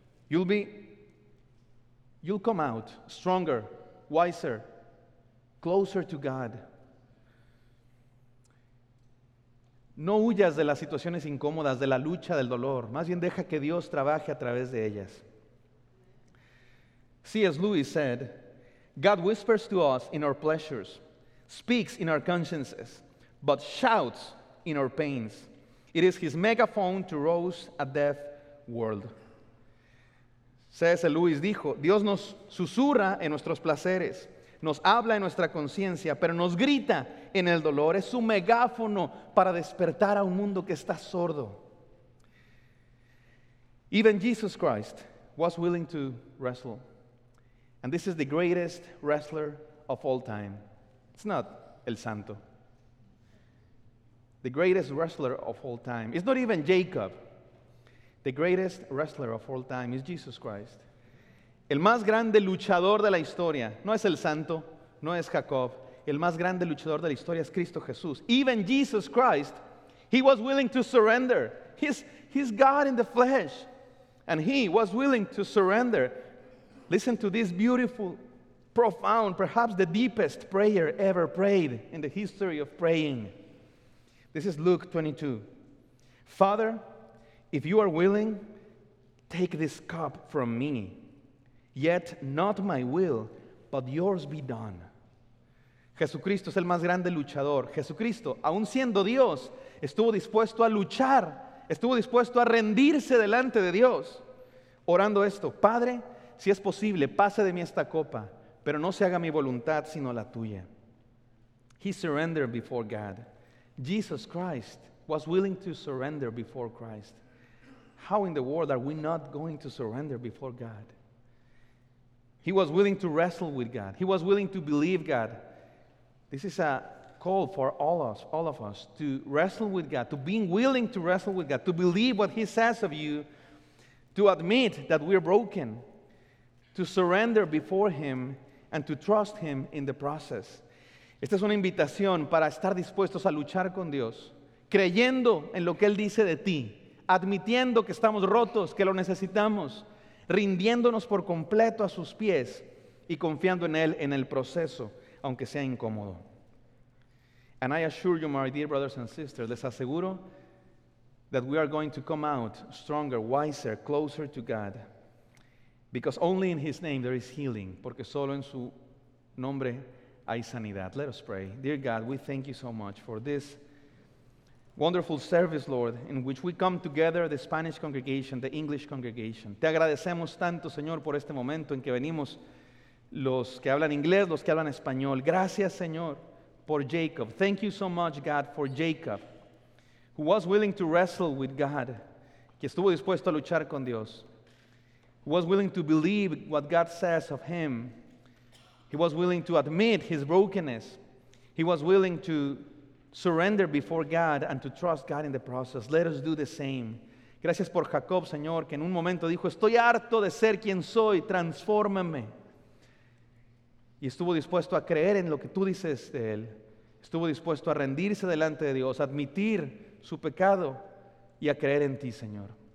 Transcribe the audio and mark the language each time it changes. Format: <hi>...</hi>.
<en>You'll come out stronger, wiser, closer to God.</en> <es>No huyas de las situaciones incómodas, de la lucha, del dolor. Más bien deja que Dios trabaje a través de ellas.</es> <en>C.S. Lewis said, God whispers to us in our pleasures, speaks in our consciences, but shouts in our pains. It is his megaphone to rouse a deaf world. C.S.</en> <es>Lewis dijo, Dios nos susurra en nuestros placeres, nos habla en nuestra conciencia, pero nos grita en el dolor. Es su megáfono para despertar a un mundo que está sordo.</es> <en>Even Jesus Christ was willing to wrestle. And this is the greatest wrestler of all time. It's not El Santo. The greatest wrestler of all time. It's not even Jacob. The greatest wrestler of all time is Jesus Christ.</en> <es>El más grande luchador de la historia. No es El Santo, no es Jacob. El más grande luchador de la historia es Cristo Jesús.</es> <en>Even Jesus Christ, he was willing to surrender. He's God in the flesh. And he was willing to surrender. Listen to this beautiful, profound, perhaps the deepest prayer ever prayed in the history of praying. This is Luke 22. Father, if you are willing, take this cup from me. Yet not my will, but yours be done.</en> <es>Jesucristo es el más grande luchador. Jesucristo, aun siendo Dios, estuvo dispuesto a luchar, estuvo dispuesto a rendirse delante de Dios, orando esto: Padre, si es posible, pase de mí esta copa, pero no se haga mi voluntad, sino la tuya.</es> <en>He surrendered before God. Jesus Christ was willing to surrender before Christ. How in the world are we not going to surrender before God? He was willing to wrestle with God. He was willing to believe God. This is a call for all of us, to wrestle with God, to being willing to wrestle with God, to believe what He says of you, to admit that we're broken, to surrender before Him, and to trust Him in the process.</en> <es>Esta es una invitación para estar dispuestos a luchar con Dios, creyendo en lo que Él dice de ti, admitiendo que estamos rotos, que lo necesitamos, rindiéndonos por completo a sus pies y confiando en Él en el proceso, aunque sea incómodo.</es> <en>And I assure you, my dear brothers and sisters,</en> <es>les aseguro</es> <en>that we are going to come out stronger, wiser, closer to God, because only in His name there is healing,</en> <es>porque solo en su nombre hay sanidad.</es> <en>Let us pray. Dear God, we thank you so much for this wonderful service, Lord, in which we come together, the Spanish congregation, the English congregation.</en> <es>Te agradecemos tanto, Señor, por este momento en que venimos los que hablan inglés, los que hablan español. Gracias, Señor, por Jacob.</es> <en>Thank you so much, God, for Jacob, who was willing to wrestle with God,</en> <es>que estuvo dispuesto a luchar con Dios,</es> <en>who was willing to believe what God says of him. He was willing to admit his brokenness. He was willing to surrender before God and to trust God in the process. Let us do the same.</en> <es>Gracias por Jacob, Señor, que en un momento dijo, estoy harto de ser quien soy, transfórmame. Y estuvo dispuesto a creer en lo que tú dices de él. Estuvo dispuesto a rendirse delante de Dios, admitir su pecado y a creer en ti, Señor.</es>